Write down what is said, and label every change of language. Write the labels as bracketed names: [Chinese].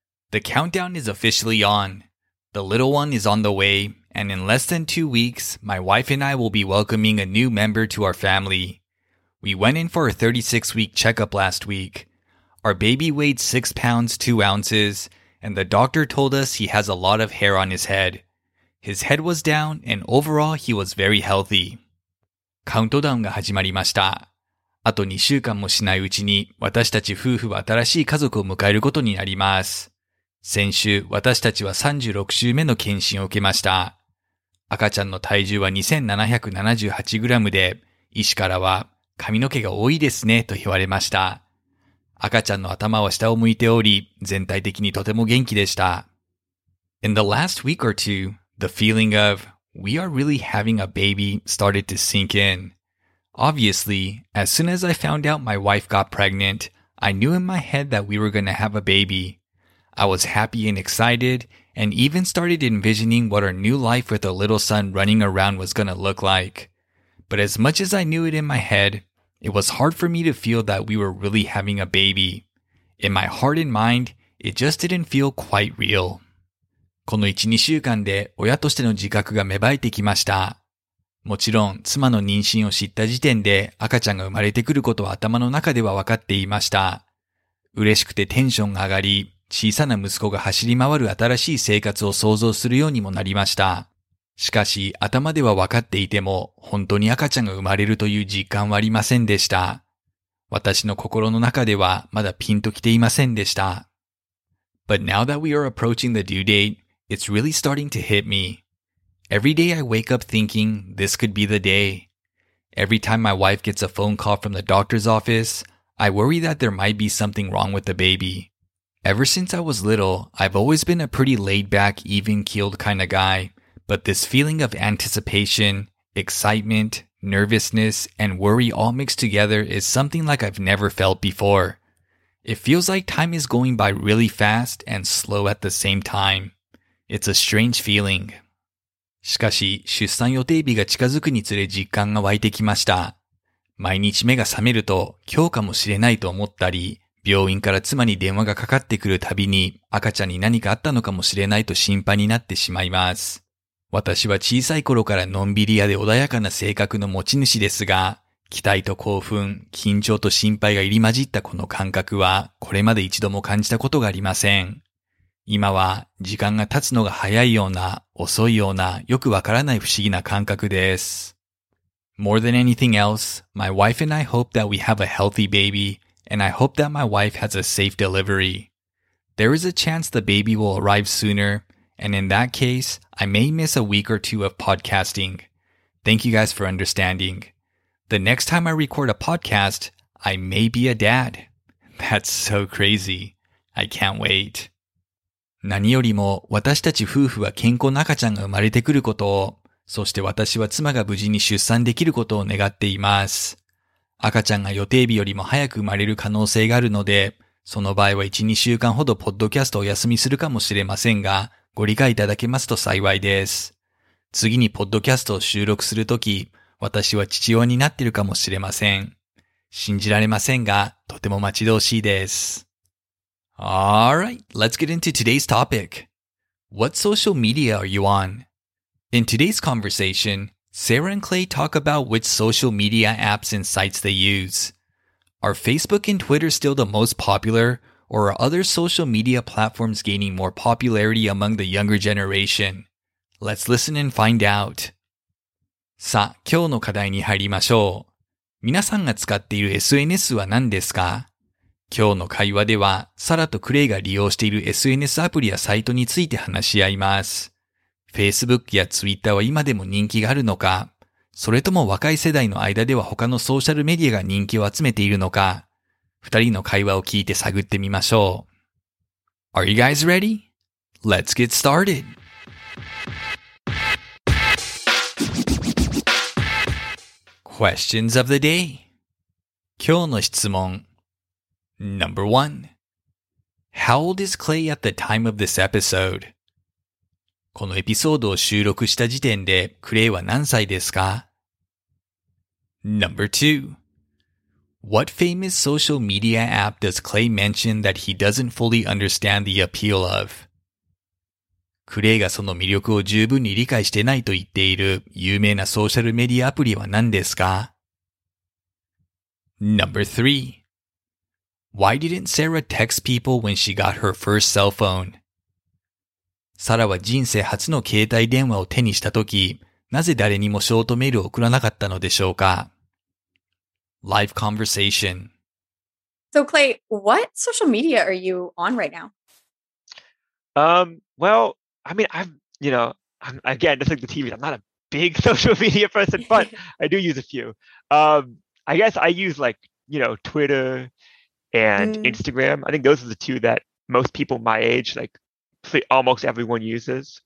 [English] The countdown is officially on. The little one is on the way, and in less than 2 weeks, my wife and I will be welcoming a new member to our family. We went in for a 36-week checkup last week. Our baby weighed 6 pounds 2 ounces, and the doctor told us he has a lot of hair on his head. His head was down, and overall, he was very healthy. [Japanese] カウントダウンが始まりました。あと2週間もしないうちに私たち夫婦は新しい家族を迎えることになります。先週私たちは36週目の検診を受けました。赤ちゃんの体重は 2778g で、医師からは髪の毛が多いですねと言われました。赤ちゃんの頭は下を向いており、全体的にとても元気でした。 [English] In the last week or two, the feeling of, we are really having a baby started to sink in. Obviously, as soon as I found out my wife got pregnant, I knew in my head that we were going to have a baby. I was happy and excited, and even started envisioning what our new life with a little son running around was going to look like. But as much as I knew it in my head, it was hard for me to feel that we were really having a baby. In my heart and mind, it just didn't feel quite real. [Japanese] この1、2週間で親としての自覚が芽生えてきました。もちろん、妻の妊娠を知った時点で赤ちゃんが生まれてくることは頭の中では分かっていました。嬉しくてテンションが上がり、小さな息子が走り回る新しい生活を想像するようにもなりました。しかし、頭では分かっていても、本当に赤ちゃんが生まれるという実感はありませんでした。私の心の中ではまだピンときていませんでした。 [English] But now that we are approaching the due date, it's really starting to hit me. Every day I wake up thinking, this could be the day. Every time my wife gets a phone call from the doctor's office, I worry that there might be something wrong with the baby. Ever since I was little, I've always been a pretty laid-back, even-keeled kind of guy, but this feeling of anticipation, excitement, nervousness, and worry all mixed together is something like I've never felt before. It feels like time is going by really fast and slow at the same time. It's a strange feeling. [Japanese] しかし、出産予定日が近づくにつれ実感が湧いてきました。毎日目が覚めると、今日かもしれないと思ったり、病院から妻に電話がかかってくるたびに、赤ちゃんに何かあったのかもしれないと心配になってしまいます。私は小さい頃からのんびり屋で穏やかな性格の持ち主ですが、期待と興奮、緊張と心配が入り混じったこの感覚は、これまで一度も感じたことがありません。今は時間が経つのが早いような、遅いような、よくわからない不思議な感覚です。 [English] More than anything else, my wife and I hope that we have a healthy baby, and I hope that my wife has a safe delivery. There is a chance the baby will arrive sooner, and in that case, I may miss a week or two of podcasting. Thank you guys for understanding. The next time I record a podcast, I may be a dad. That's so crazy. I can't wait. [Japanese] 何よりも私たち夫婦は健康な赤ちゃんが生まれてくることを、そして私は妻が無事に出産できることを願っています。赤ちゃんが予定日よりも早く生まれる可能性があるので、その場合は 1,2 週間ほどポッドキャストをお休みするかもしれませんが、ご理解いただけますと幸いです。次にポッドキャストを収録するとき、私は父親になっているかもしれません。信じられませんが、とても待ち遠しいです。 [English] All right, let's get into today's topic. What social media are you on? In today's conversation, Sarah and Clay talk about which social media apps and sites they use. Are Facebook and Twitter still the most popular, or are other social media platforms gaining more popularity among the younger generation? Let's listen and find out. [Japanese] さあ、今日の課題に入りましょう。皆さんが使っている SNS は何ですか？今日の会話では、サラとクレイが利用している SNS アプリやサイトについて話し合います。 Facebook や Twitter は今でも人気があるのか、それとも若い世代の間では他のソーシャルメディアが人気を集めているのか、二人の会話を聞いて探ってみましょう。 [English] Are you guys ready? Let's get started! Questions of the day. [Japanese] 今日の質問。 [English] Number one. How old is Clay at the time of this episode? [Japanese] このエピソードを収録した時点でクレイは何歳ですか? [English] Number two. What famous social media app does Clay mention that he doesn't fully understand the appeal of? [Japanese] クレイがその魅力を十分に理解してないと言っている有名なソーシャルメディアアプリは何ですか? [English] Number three. Why didn't Sarah text people when she got her first cell phone? [Japanese] サラは人生初の携帯電話を手にしたとき、なぜ誰にもショートメールを送らなかったのでしょうか? [English] Live conversation. So Clay, what social media are you on right now? Well, I mean, I'm just like the TV, I'm not a big social media person, but I do use a few. I guess I use like, you know, Twitter,And Instagram, I think those are the two that most people my age, like almost everyone uses.